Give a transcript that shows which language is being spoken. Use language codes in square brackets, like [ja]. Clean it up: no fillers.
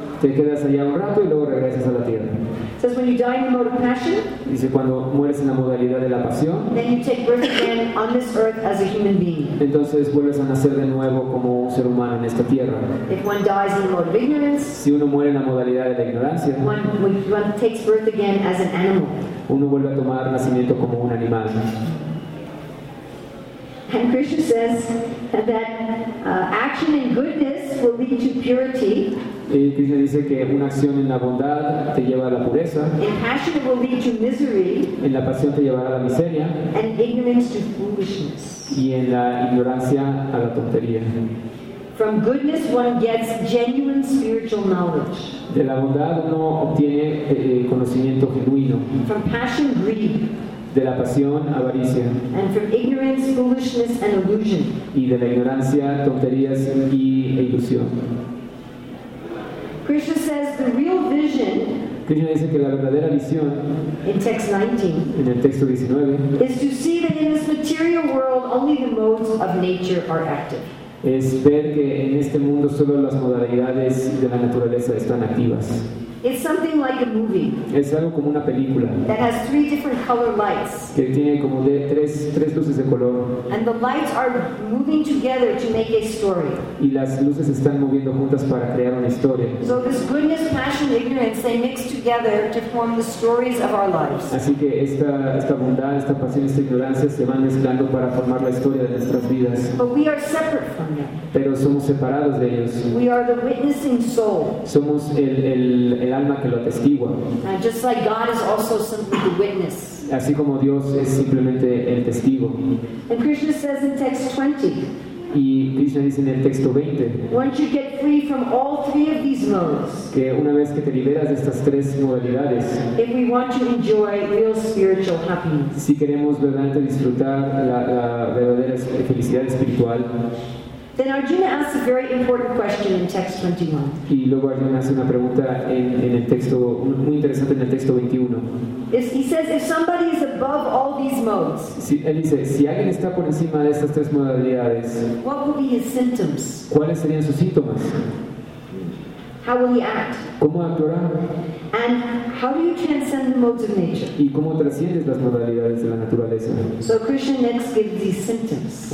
[es] Te quedas allá un rato y luego regresas a la tierra. [en] Says when you die in the mode of passion, [es] dice cuando mueres en la modalidad de la pasión, [en] then you take birth again on this earth as a human being. [es] Entonces vuelves a nacer de nuevo como un ser humano en esta tierra. [en] If one dies in the mode of ignorance, [es] si uno muere en la modalidad de la ignorancia, [en] one takes birth again as an animal. [es] Uno vuelve a tomar nacimiento como un animal. [en] And Krishna says that action in goodness will lead to purity. [es] Y Krishna dice que una acción en la bondad te lleva a la pureza. [en] In passion will lead to misery. [es] En la pasión te llevará a la miseria. [en] And ignorance to foolishness. [es] Y en la ignorancia a la tontería. [en] From goodness one gets genuine spiritual knowledge. [es] De la bondad uno obtiene conocimiento genuino. [en] From passion greed. [es] De la pasión, avaricia. [en] And from ignorance, foolishness, and illusion. [es] Y de la ignorancia, tonterías y ilusión. [en] Krishna says the real vision [es] Krishna dice que la verdadera visión [en] in text 19, [es] en el texto 19 [en] is to see that in this material world only the modes of nature are active. [es] Es ver que en este mundo solo las modalidades de la naturaleza están activas. [en] It's something like a movie. [es] Es algo como una película. [en] That has three different color lights. [es] Que tiene como de tres luces de color. [en] And the lights are moving together to make a story. [es] Y las luces están moviendo juntas para crear una historia. [en] So this goodness, passion, ignorance, they mix together to form the stories of our lives. [es] Así que esta bondad, esta pasión, esta ignorancia se van mezclando para formar la historia de nuestras vidas. [en] But we are separate from them. [es] Pero somos separados de ellos. [en] We are the witnessing soul. [es] Somos el alma que lo atestigua. [en] Just like God is also simply the witness. [es] Así como Dios es simplemente el testigo. [en] And Krishna says in text 20. [es] Y Krishna dice en el texto 20. [en] Once you get free from all three of these modes. [es] Que una vez que te liberas de estas tres modalidades. [en] If we want to enjoy real spiritual happiness. [es] Si queremos verdaderamente disfrutar la verdadera felicidad espiritual. [en] Then Arjuna asks a very important question in text 21. [es] Y luego Arjuna hace una pregunta en el texto muy interesante en el texto 21. [en] He says, if somebody is above all these modes. [es] Si, él dice, si alguien está por encima de estas tres modalidades. [en] What would be his symptoms? [es] ¿Cuáles serían sus síntomas? [en] How will he act? [es] ¿Cómo actuará? [en] And how do you transcend the modes of nature? [es] ¿Y cómo trasciendes las modalidades de la naturaleza? [en] So Krishna next gives these symptoms.